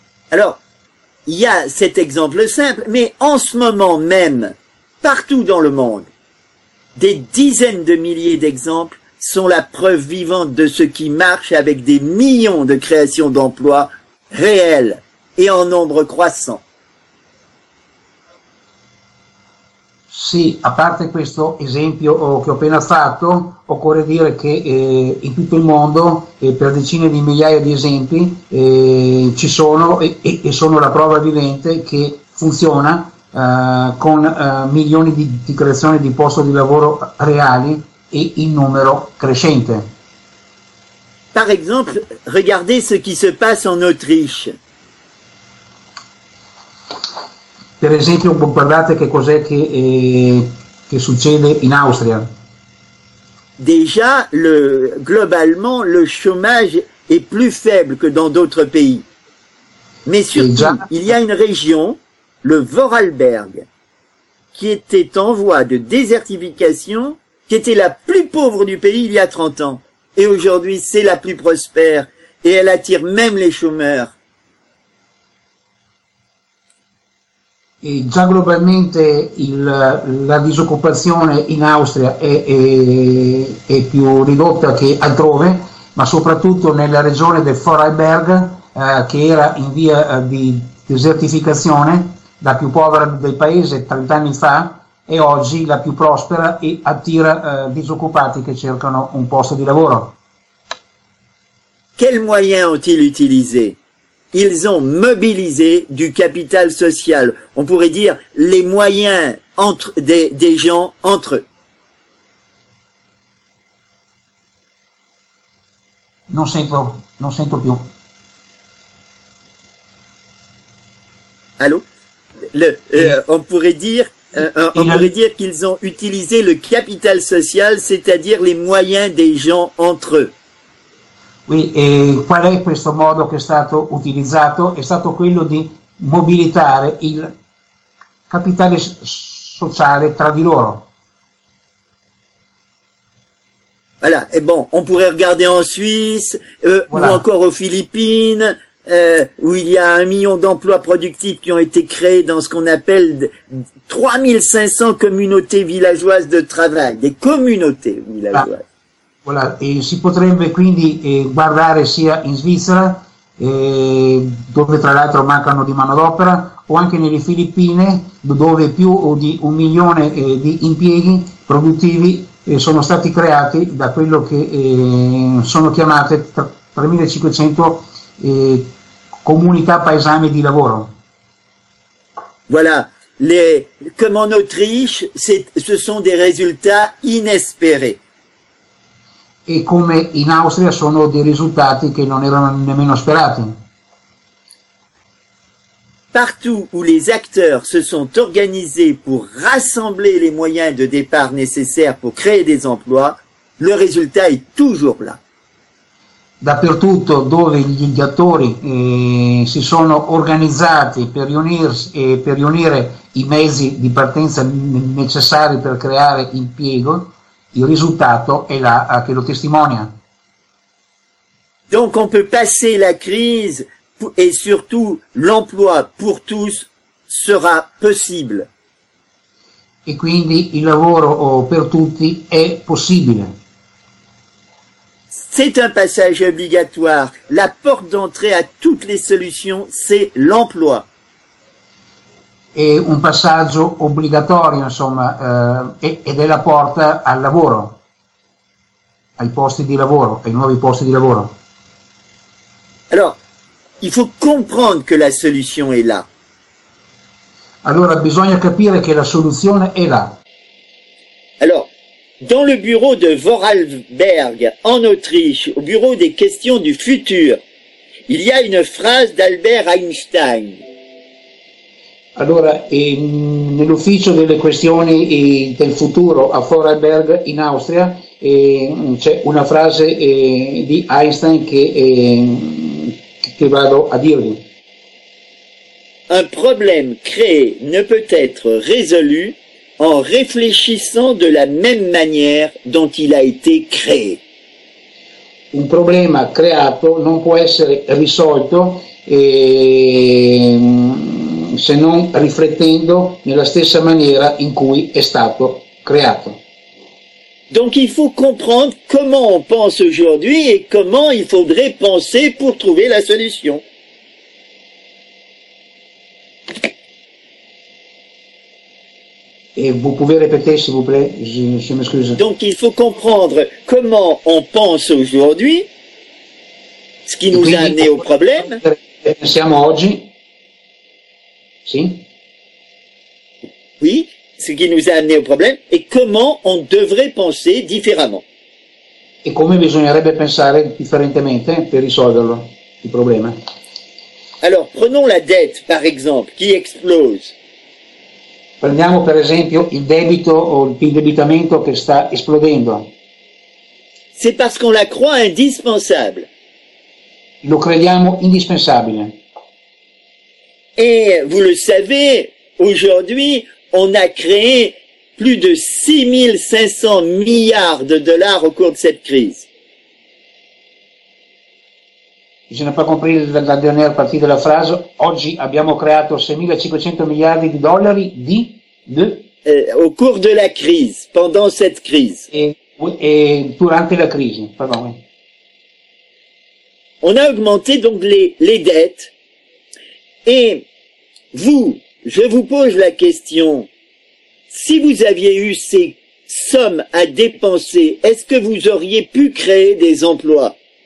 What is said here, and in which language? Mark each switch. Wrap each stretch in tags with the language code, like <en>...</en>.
<fr>Alors, il y a cet exemple simple, mais en ce moment même, partout dans le monde, des dizaines de milliers d'exemples sont la preuve vivante de ce qui marche avec des millions de créations d'emplois réels et en nombre croissant.</fr> <it>Sì, a parte questo esempio che ho appena fatto, occorre dire che in tutto il mondo, per decine di migliaia di esempi, ci sono e sono la prova vivente che funziona con milioni di creazioni di posti di lavoro reali e in numero crescente.</it> <fr>Par exemple, regardez ce qui se passe en Autriche.</fr> <it>Per esempio, guardate che cos'è che succede in Austria.</it> <fr>Déjà, globalement, le chômage est plus faible que dans d'autres pays. Mais surtout, il y a une région, le Vorarlberg, qui était en voie de désertification, qui était la plus pauvre du pays il y a 30 ans. Et aujourd'hui, c'est la plus prospère. Et elle attire même les chômeurs.</fr> <it>Et già globalmente, la disoccupazione in Austria è più ridotta che altrove, ma soprattutto nella regione del Vorarlberg, che era in via di desertificazione, la più povera del paese 30 anni fa, e oggi la più prospera e attira disoccupati che cercano un posto di lavoro.</it> <fr>Quels moyens ont-ils utilisé? Ils ont mobilisé du capital social. On pourrait dire les moyens entre des gens entre eux.</fr> <it>Non sento più.</it> <fr>Allô? On pourrait dire On pourrait dire qu'ils ont utilisé le capital social, c'est-à-dire les moyens des gens entre eux.</fr> <it>E qual è questo modo che è stato utilizzato? È stato quello di mobilitare il capitale sociale tra di loro.</it> <fr>Voilà, et bon, on pourrait regarder en Suisse ou Voilà. encore aux Philippines, où il y a 1 million d'emplois productifs qui ont été créés dans ce qu'on appelle 3 500 communautés villageoises de travail, des communautés villageoises.</fr> <it>Voilà, e si potrebbe quindi guardare sia in Svizzera, dove tra l'altro mancano di manodopera, o anche nelle Filippine, dove più di 1 milione di impieghi produttivi sono stati creati da quello che sono chiamate 3.500 comunità paesane di lavoro.</it> <fr>Voilà, comme en Autriche, ce sont des résultats inespérés.</fr> <it>E come in Austria sono dei risultati che non erano nemmeno sperati.</it> <fr>Partout où les acteurs se sont organisés pour rassembler les moyens de départ nécessaires pour créer des emplois, le résultat est toujours là.</fr> <it>Dappertutto dove gli attori si sono organizzati per riunirsi e per riunire i mezzi di partenza necessari per creare impiego. Il risultato è là, che lo testimonia.</it> <fr>Donc on peut passer la crise et surtout l'emploi pour tous sera possible.</fr> <it>E quindi il lavoro per tutti è possibile.</it> <fr>C'est un passage obligatoire. La porte d'entrée à toutes les solutions, c'est l'emploi.</fr> <it>È un passaggio obbligatorio, insomma, ed è la porta al lavoro, ai posti di lavoro, ai nuovi posti di lavoro.</it> <fr>Alors, il faut comprendre que la solution est là.</fr> <it>Allora bisogna capire che la soluzione è là.</it> <fr>Alors, dans le bureau de Vorarlberg, en Autriche, au bureau des questions du futur, il y a une phrase d'Albert Einstein.</fr> <it>Allora, nell'ufficio delle questioni del futuro a Vorarlberg in Austria c'è una frase di Einstein che vado a dirvi.</it> <fr>Un problème créé ne peut être résolu en réfléchissant de la même manière dont il a été créé.</fr> <it>Un problema creato non può essere risolto se non riflettendo nella stessa maniera in cui è stato creato.</it> <fr>Donc il faut comprendre comment on pense aujourd'hui et comment il faudrait penser pour trouver la solution. E vous pouvez répéter, s'il vous plaît, je m'excuse. Donc il faut comprendre comment on pense aujourd'hui, ce qui nous a</fr> <it>quindi</it> <fr>amené a au</fr> <it>quale</it> <fr>problème.</fr> <it>pensiamo oggi? Sì?</it> <fr>Oui, ce qui nous a amené au problème et comment on devrait penser différemment.</fr> <it>E come bisognerebbe pensare differentemente per risolverlo, il problema?</it> <fr>Alors, prenons la dette, par exemple, qui explose.</fr> <it>Prendiamo per esempio il debito o l'indebitamento che sta esplodendo.</it> <fr>C'est parce qu'on la croit indispensable.</fr> <it>Lo crediamo indispensabile.</it> <fr>Et vous le savez, aujourd'hui, on a créé plus de 6 500 milliards de dollars au cours de cette crise. Je n'ai pas compris la dernière partie de la phrase.</fr> <it>Oggi abbiamo creato 6 500 miliardi di dollari di.</it> <fr>Au cours de la crise, pendant cette crise.</fr> <it>E durante la crisi, pardon.</it> <fr>On a augmenté donc les dettes. Et vous, je vous pose la question, si vous aviez eu ces sommes à dépenser, est-ce que vous auriez pu créer des emplois?</fr>